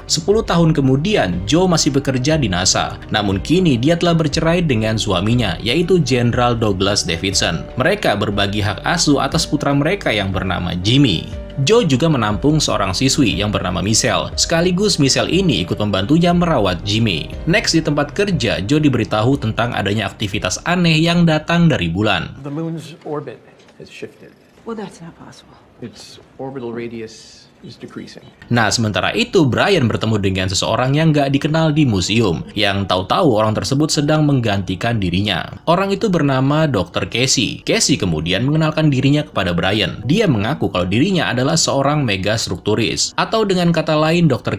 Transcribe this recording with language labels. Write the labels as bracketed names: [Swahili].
[Indonesian] 10 tahun kemudian, Joe masih bekerja di NASA. Namun kini dia telah bercerai dengan suaminya, yaitu Jenderal Douglas Davidson. Mereka berbagi hak asuh atas putra mereka yang bernama Jimmy. Joe juga menampung seorang siswi yang bernama Michelle. Sekaligus Michelle ini ikut membantunya merawat Jimmy. Next, di tempat kerja, Joe diberitahu tentang adanya aktivitas aneh yang datang dari bulan. [English] The moon's orbit has shifted. Well, that's not possible. Its orbital radius is decreasing. [Indonesian] Nah, sementara itu Brian bertemu dengan seseorang yang gak dikenal di museum, yang tahu-tahu orang tersebut sedang menggantikan dirinya. Orang itu bernama Dr. Casey. Casey kemudian mengenalkan dirinya kepada Brian. Dia mengaku kalau dirinya adalah seorang megastrukturis. Atau dengan kata lain, Dr.